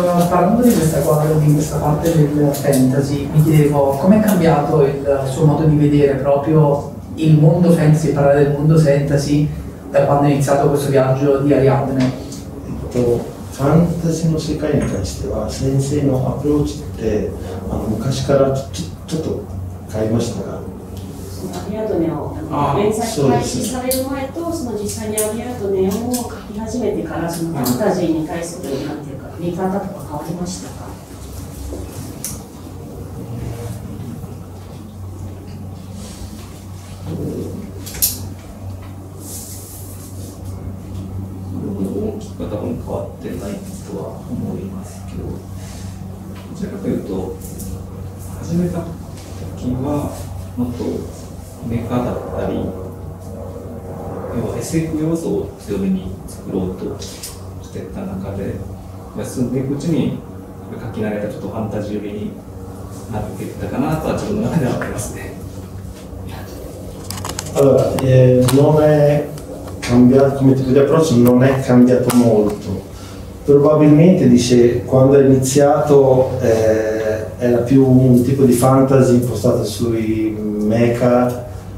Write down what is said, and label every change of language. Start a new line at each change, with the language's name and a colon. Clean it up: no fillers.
Italian: Parlando di questa cosa, di questa parte del fantasy, mi chiedevo com'è cambiato il suo modo di vedere proprio il mondo fantasy, parlare del mondo fantasy, da quando è iniziato questo viaggio di Ariadne.
Japanese: Fantasy の世界に関しては先生のアプローチって昔からちょっと変えましたが、 Ariadne を連載開始される前と、その実際に Ariadne を書き始めてから、そのファンタジーに対する何ていうか見方とか変わりましたか？大きく変わってないとは思いますけど、どちらかというと始めた時はもっとメカだったり、要は SF 要素を強めに作ろうとしてた中で、休んでいくうちに書き慣れたちょっとファンタジー寄りになっていったかなとは自分の中では思いますね。
Italian: Allora, non è cambiato, come tipo di approccio non è cambiato molto. Probabilmente, dice, quando è iniziato era più un tipo di fantasy impostato sui mecha,